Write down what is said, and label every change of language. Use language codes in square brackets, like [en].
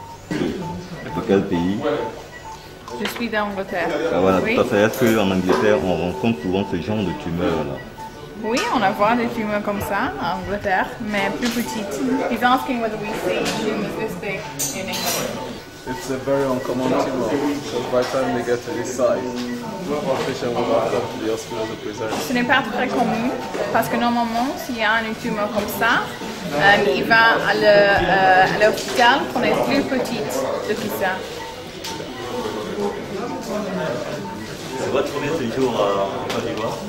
[fr] Comment? Dans quel pays? Je suis d'Angleterre. Ah voilà, oui. Ça, est-ce qu'en Angleterre on rencontre souvent ce genre de tumeurs-là? Oui, on a voir des tumeurs comme ça en Angleterre, mais plus petites. [en] He's asking whether we see tumors this big in England. It's a very uncommon tumor. So by the time they get to this size. [fr] Ce n'est pas très commun parce que normalement, s'il y a une tumeur comme ça, il va à l'hôpital pour les plus petites de tout ça. C'est votre premier séjour en Côte d'Ivoire?